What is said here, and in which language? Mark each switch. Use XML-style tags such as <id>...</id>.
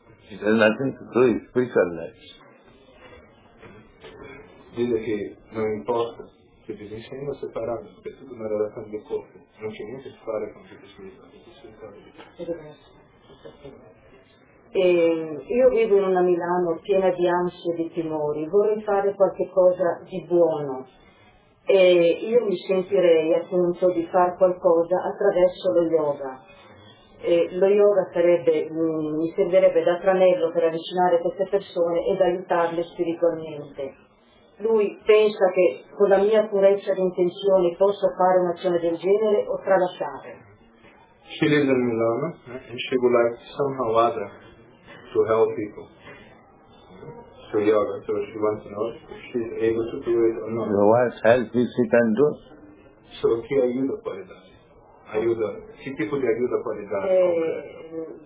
<en>It has nothing to do with spiritual life.</en> <it>Dice che non importa se vivi insieme o separato, è tutta una relazione di corpo. Non c'è niente da fare con tutti i spiriti. Io vivo in una Milano piena di ansie e di timori. Vorrei fare qualche cosa di buono. E io mi sentirei appunto di fare qualcosa attraverso lo yoga. E lo yoga sarebbe, mi servirebbe da tranello per avvicinare queste persone ed aiutarle spiritualmente. Lui pensa che con la mia purezza di intenzioni posso fare un'azione del genere o tralasciare.</it> <en>She lives in Milano and she would like somehow other to help people. So yoga, so she wants to know if she's able to do it or not. You want to help this she can do?</en> <it>So chi aiuta poi da? Aiuta, che tipo di aiuta può dare?</it>